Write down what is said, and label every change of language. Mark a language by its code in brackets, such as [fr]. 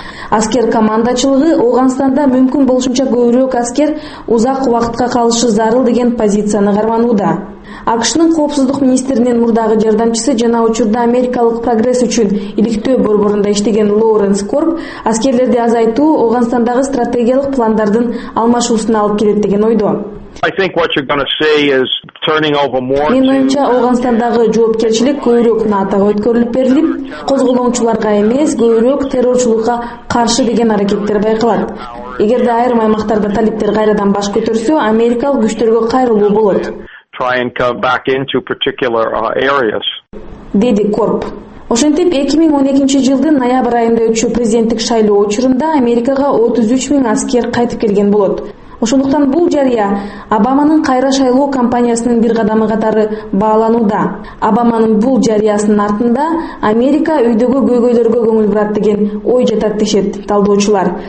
[ky] Аскер командачылыгы Ооганстанда мүмкүн болушунча көбүрөөк аскер узак убакытка калышы зарыл деген позицияны карманууда. АКШнын коопсуздук министринин мурдагы жардамчысы жана учурда америкалык прогресс үчүн иликтөө борборунда иштеген Лоуренс Корп аскерлерди азайтуу Оогандагы стратегиялык пландардын алмашуусуна алып келет деген ойдо. [en] I think what you're going to say is turning over more to [ky] Мен оюмча Оогандагы жоопкерчилик көбүрөөк НАТОго өткөрүлүп берилип, козголоңчуларга эмес, көбүрөөк террорчулукка каршы деген аракеттер байкалат. Эгерде айрым аймактарда талиптер кайрадан баш көтөрсө, америкалык күчтөргө кайрылуу болот. [en] Trying to come back into particular areas. [ky] Деди Корп. Ошентип 2012 жылдын ноябрь айында өтчү президенттик шайлоо учурунда Америкага 33 миң аскер кайтып келген болот. Ошондуктан бул жарыя Обаманын кайра шайлоо кампаниясынын бир кадамы катары баалануда. Обаманын бул жарыясынын артында Америка үйдөгү көйгөйлөргө көңүл бурат деген ой жатат дешет талдоочулар.